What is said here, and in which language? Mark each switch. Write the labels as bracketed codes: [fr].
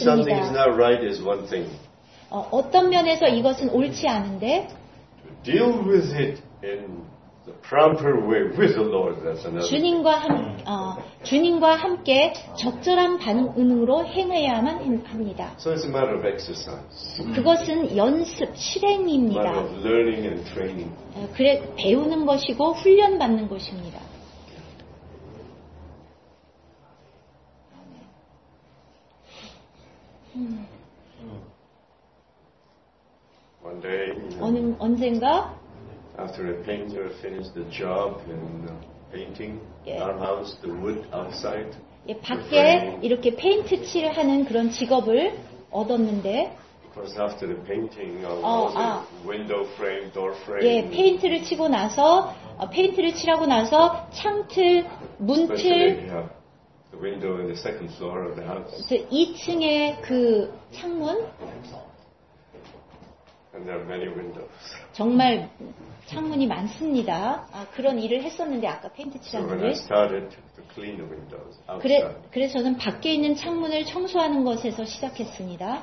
[en] See something is not right is one thing. [ko] 어떤 면에서 이것은 옳지 않은데, [en] to deal with it in proper way with the Lord. That's another. [ko] 주님과 함께 적절한 반응으로 행해야만 합니다. [en] So it's a matter of exercise. [ko] 그것은 연습 실행입니다. [en] Matter of learning and training. [ko] 그래 배우는 것이고 훈련 받는 것입니다. [en] One day. [ko] 언젠가. [en] After a painter finished the job in painting our house, the wood outside. [ko] 밖에 이렇게 페인트 칠하는 그런 직업을 얻었는데. [en] Because after the painting, window frame, door frame. [ko] 페인트를 치고 나서 페인트를 칠하고 나서 창틀, 문틀. [en] The window in the second floor of the house. [ko] 2층의 그 창문. [en] And there are many windows. [ko] 정말 창문이 많습니다. 아, 그런 일을 했었는데 아까 페인트 칠하는 [en] 일. So when I started to clean the windows outside. [ko] 그래서 저는 밖에 있는 창문을 청소하는 것에서 시작했습니다.